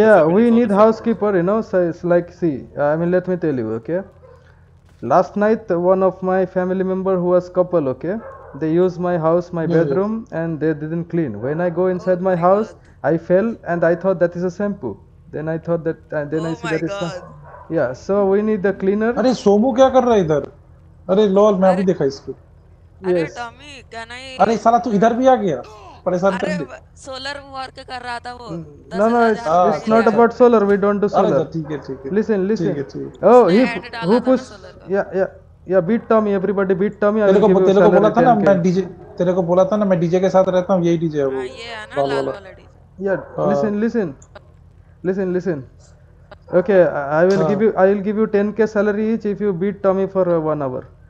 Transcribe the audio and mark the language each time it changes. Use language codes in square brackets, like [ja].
[en] Yeah, we need housekeeper. You know, so it's like, see. I mean, let me tell you, okay. Last night, one of my family member who was couple, okay, they used my house, my bedroom, and they didn't clean. When I go inside my house, I fell and I thought that is a shampoo. Then I thought that, then I see that is some. Yeah, so we need the cleaner. [hi] अरे सोमू क्या कर रहा है इधर? अरे lol मैं अभी देखा इसको. अरे टॉमी क्या नहीं? अरे साला तू इधर भी आ गया. परेशान कर दे. अरे सोलर वर्क कर रहा था वो. [en] No, no, it's not about solar. We don't do solar. [hi] अरे ठीक है ठीक है. [en] Listen, listen. [hi] ठीक है ठीक. [en] Oh, who push? Yeah, beat Tommy, everybody beat Tommy. I'll give you salary 10k. [hi] तेरे को बोला था ना मैं DJ के साथ रहता हूँ, यही DJ है वो. ये है ना लाल वाला DJ. [en] Yeah, listen. Okay, I will give you 10k salary each if you beat Tommy for 1 hour.